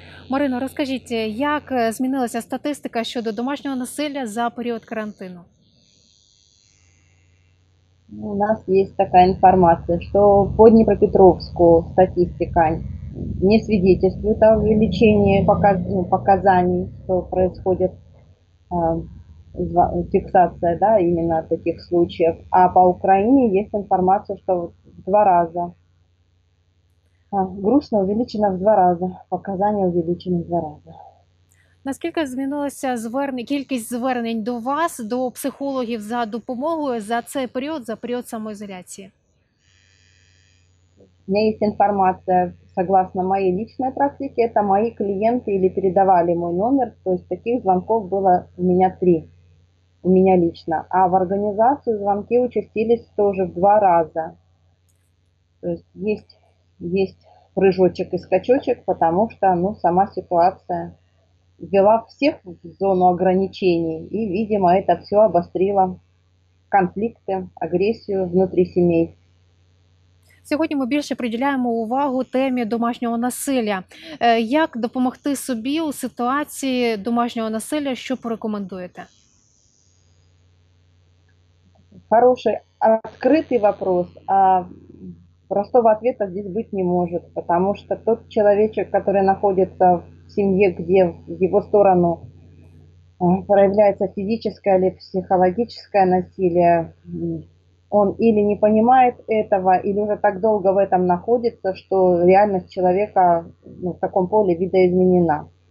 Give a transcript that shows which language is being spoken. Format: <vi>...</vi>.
<uk>Марино, розкажіть, як змінилася статистика щодо домашнього насилля за період карантину? У нас є така інформація, що по Дніпропетровську статистика</uk> <ru>не свидетельствует о увеличении показаний, что происходит фиксация, да, именно таких случаев. А по Украине есть информация, что в два раза. Грустно, увеличено в два раза. Показания увеличены в два раза.</ru> <uk>Наскільки змінилася кількість звернень до вас, до психологів за допомогою за цей період, за період самоізоляції? У мене є інформація,</uk> <ru>согласно</ru> <uk>моїй личній практиці, це мої клієнти або передавали мій номер, тобто таких дзвінків було у мене 3, у мене</uk> <ru>лично.</ru> <uk>А в організацію дзвінки участились теж в два рази. Тобто є прыжочок і скачочок, тому що сама ситуація ввела всіх в</uk> <ru>зону ограничений,</ru> <uk>і, видимо, це все обострило конфлікти, агресію внутрі сімей. Сьогодні ми більше приділяємо увагу темі домашнього насилля. Як допомогти собі у ситуації домашнього насилля? Що порекомендуєте? Хороший, відкритий вопрос.</uk> <ru>Простого ответа здесь быть не может, потому что тот человечек, который находится в семье, где в его сторону проявляется физическое или психологическое насилие, он или не понимает этого, или уже так долго в этом находится, что реальность человека в таком поле видоизменена.</ru>